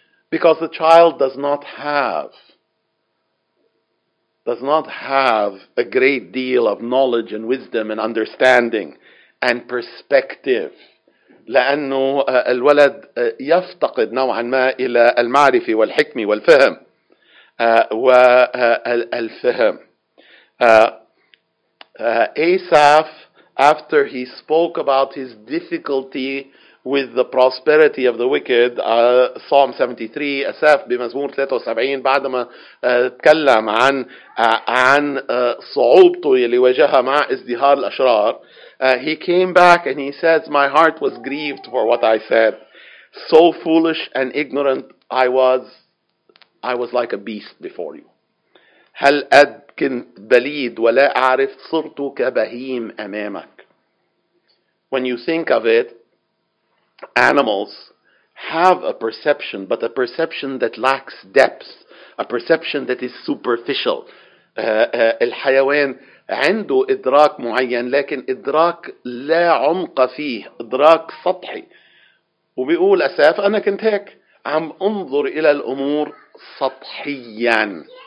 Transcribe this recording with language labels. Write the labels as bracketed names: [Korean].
[English] Because the child does not have a great deal of knowledge and wisdom and understanding and perspective. [Arabic] لأنه الولد يفتقد نوعا ما إلى المعرفة والحكمة والفهم والفهم. [English] Asaph, after he spoke about his difficulty with the prosperity of the wicked, Psalm 73, Asaph [Arabic] بمزمور 73, بعدما تكلم عن صعوبته اللي واجهها مع ازدهار الأشرار, [English] He came back and he says, my heart was grieved for what I said. So foolish and ignorant I was like a beast before you. [Arabic] هل أد كنت بليد ولا أعرف صرت كبهيم أمامك. [English] When you think of it, animals have a perception, but a perception that lacks depth, a perception that is superficial. [Arabic] الحيوان عنده إدراك معين لكن إدراك لا عمق فيه, إدراك سطحي. وبيقول أساف أنا كنت هيك عم أنظر إلى الأمور سطحياً.